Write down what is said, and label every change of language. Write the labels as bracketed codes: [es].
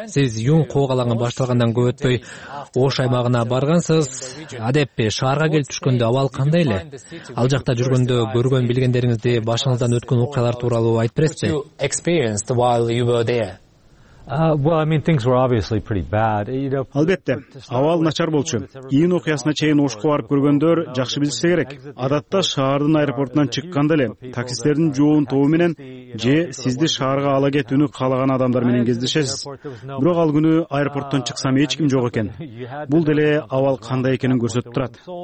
[ky] Сиз Юн кок алаңы башталгандан көп өтпөй Ош аймагына баргансыз. Адеппи, шаарга келип түшкөндө абал кандай эле? Ал жакта жүргөндө көргөн билгендериңизди, башыңыздан өткөн окуялар тууралуу айтып бересизби? [en] Experienced while you were there. Things were obviously pretty bad. [ky] Албетте, абал начар болчу. Ийин окуясына чейин Ошко барып көргөндөр жакшы билсе керек. Адатта шаардын аэропортунан чыкканда эле таксистердин жоон тобу менен же сизди шаарга ала кетүүнү каалаган адамдар менен кездешесиз. Бирок ал күнү аэропорттон чыксам эч ким жок экен. Бул деле абал кандай экенин көрсөтүп турат.